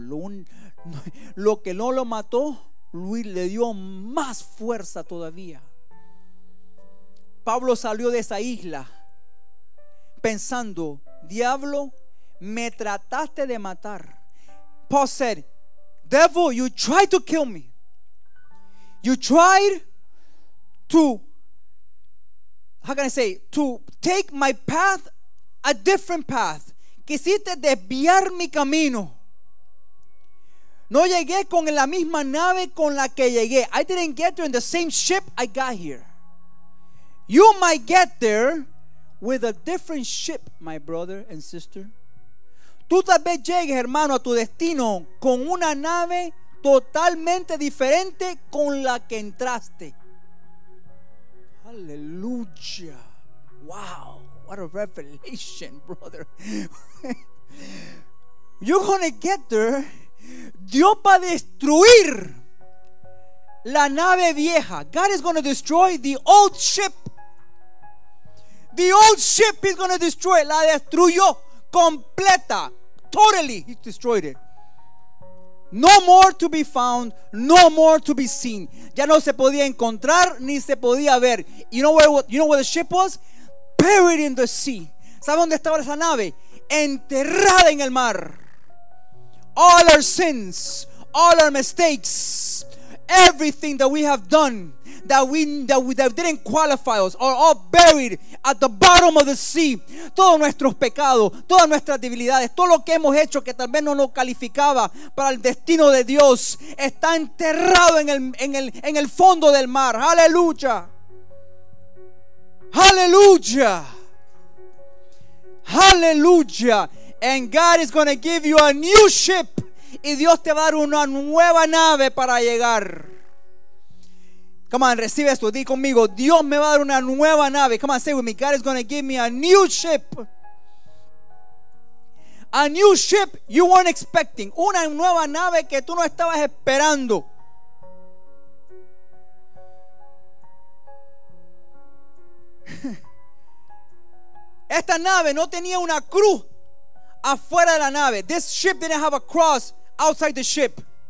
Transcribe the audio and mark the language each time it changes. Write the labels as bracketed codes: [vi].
[es] Lo que no lo mató, Luis le dio más fuerza todavía. Pablo salió de esa isla pensando, diablo, me trataste de matar. [en] Paul said, devil, you tried to kill me. You tried to, how can I say, to take my path a different path. [es] Quisiste desviar mi camino. No llegué con la misma nave con la que llegué. [en] I didn't get there in the same ship I got here. You might get there with a different ship, my brother and sister. [es] Tú tal vez llegues, hermano, a tu destino con una nave totalmente diferente con la que entraste. Aleluya. Wow. [en] What a revelation, brother. You're gonna get there. [es] Dios va a destruir la nave vieja. [en] God is gonna destroy the old ship. The old ship is gonna destroy. [es] La destruyó completa. [en] Totally. He destroyed it. No more to be found. No more to be seen. [es] Ya no se podía encontrar ni se podía ver. [en] You know where the ship was? Buried in the sea. [es] ¿Sabe dónde estaba esa nave? Enterrada en el mar. [en] All our sins, all our mistakes, everything that we have done that didn't qualify us, are all buried at the bottom of the sea. [es] Todos nuestros pecados, todas nuestras debilidades, todo lo que hemos hecho que tal vez no nos calificaba para el destino de Dios, está enterrado en el fondo del mar. Aleluya. Aleluya. Aleluya. [en] And God is going to give you a new ship. [es] Y Dios te va a dar una nueva nave para llegar. [en] Come on, [es] recibe esto. Di conmigo. Dios me va a dar una nueva nave. [en] Come on, say with me. God is going to give me a new ship. A new ship you weren't expecting. [es] Una nueva nave que tú no estabas esperando. Esta nave no tenía una cruz afuera de la nave. [en] This ship didn't have a cross outside the ship.